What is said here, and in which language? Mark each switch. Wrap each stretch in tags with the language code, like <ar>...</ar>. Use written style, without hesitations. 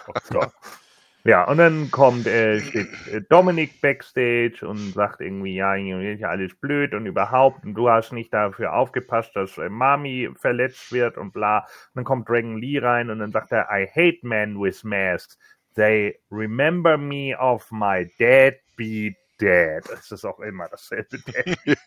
<de>So. Ja, und dann kommt steht Dominik backstage und sagt irgendwie, ja, alles blöd und überhaupt, und du hast nicht dafür aufgepasst, dass Mami verletzt wird und bla. Und dann kommt Dragon Lee rein und dann sagt er,</de> <en>I hate men with masks. They remember me of my deadbeat Dad.</en> <de>Das ist auch immer dasselbe Dad.</de>